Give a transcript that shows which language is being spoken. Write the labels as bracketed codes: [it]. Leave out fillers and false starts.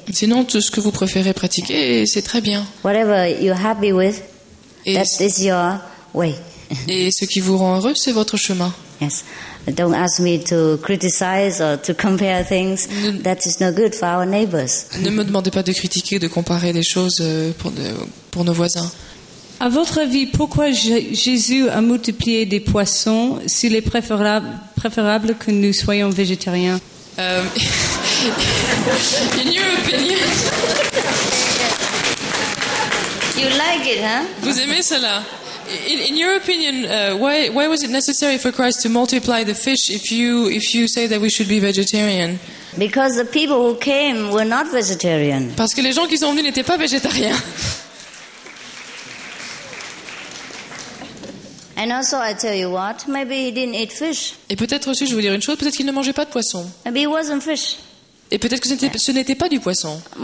[fr] Sinon, tout ce que vous préférez pratiquer, c'est très bien. [en] Whatever you're happy with, that is your way. [fr] Et ce qui vous rend heureux, c'est votre chemin. [en] Yes. Don't ask me to criticize or to compare things. That is not good for our neighbors. [fr] Ne me demandez pas de critiquer, de comparer les choses pour nos voisins. À votre avis, pourquoi Jésus a multiplié des poissons s'il est préférable que nous soyons végétariens? [en] In your opinion. You like it, huh? [fr] Vous aimez cela? [en] In your opinion, why was it necessary for Christ to multiply the fish if you say that we should be vegetarian? Because the people who came were not vegetarian. [fr] Parce que les gens qui sont venus n'étaient pas végétariens. [en] And also, I tell you what, maybe he didn't eat fish. [fr] Et peut-être aussi, je vous dire une chose, peut-être qu'il ne mangeait pas de poisson. [en] Maybe it wasn't fish. [fr] Et peut-être que ce n'était pas du poisson.